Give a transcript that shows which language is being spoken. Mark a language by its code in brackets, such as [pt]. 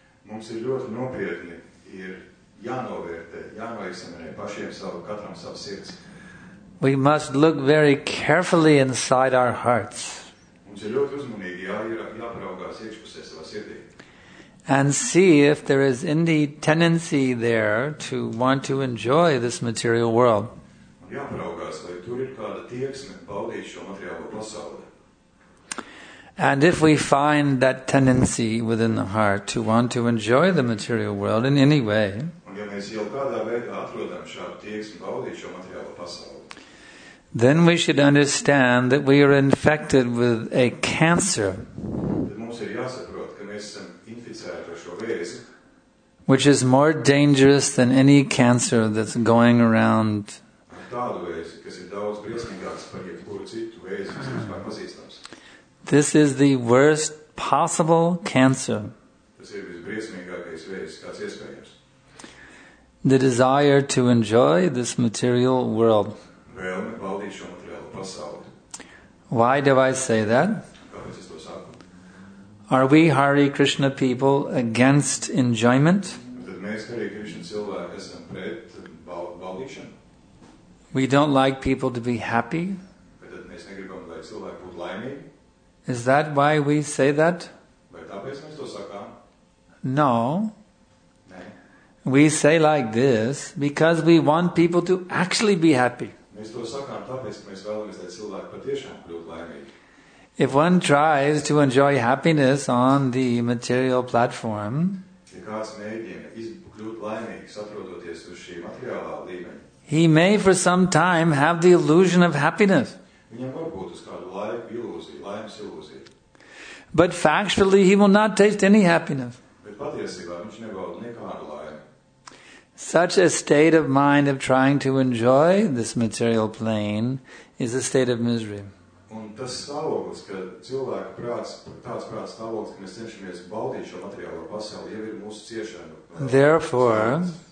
[lv] Mums ir ļoti nopietni, ir jānovērtē, jāveiksamē pašiem savu, katram savu sirds. [en] We must look very carefully inside our hearts. [lv] Mums ir ļoti uzmanīgi jāparaugās iekšpusē savā sirdī. [en] And see if there is any tendency there to want to enjoy this material world. [lv] Jāparaugās, vai tur ir kāda tieksme baudīt šo materiālo pasauli. [en] And if we find that tendency within the heart to want to enjoy the material world in any way, [lv] un ja mēs jau kādā veidā atrodam šādu tieksmi baudīt šo materiālo pasauli, [en] then we should understand that we are infected with a cancer, [lv] mums ir jāsaprot, ka mēs esam inficēti ar šo vēzi, [en] which is more dangerous than any cancer that's going around. [lv] Tādu vēzi, kas ir daudz briesmīgāks par jebkuru citu vēzi, kas mums vēl pazīstams. [en] This is the worst possible cancer. [lv] Tas ir visbriesmīgākais vēzis, kāds iespējams. [en] The desire to enjoy this material world. [lv] Vēlme baudīt šo materiālo pasauli. [en] Why do I say that? [lv] Kāpēc es to saku? [en] Are we Hare Krishna people against enjoyment? [lv] Tad mēs Hare Krishna cilvēki esam pret baudīšanu. [en] We don't like people to be happy. [lv] Bet tad mēs negribam, lai cilvēki būtu laimīgi. [en] Is that why we say that? [lv] Vai tāpēc mēs to sakām? [en] No. [lv] Nē. [en] We say like this because we want people to actually be happy. [lv] Mēs to sakām tāpēc, ka mēs vēlamies, lai cilvēki patiešām būtu laimīgi. [en] If one tries to enjoy happiness on the material platform, [lv] ja kāds mēģina kļūt laimīgs, atrodoties uz šī materiālā līmeņa, [en] he may for some time have the illusion of happiness. [lv] Viņam var būt uz kādu laiku ilūzija, laimes ilūzija. [en] But factually he will not taste any happiness. [lv] Bet patiesībā viņš nebaud nekādu laimi. [en] Such a state of mind of trying to enjoy this material plane is a state of misery. [lv] Un tas stāvoklis, ka cilvēku prāts, tāds prāts stāvoklis, ka mēs cenšamies baudīt šo materiālo pasauli, jau ir mūsu ciešana.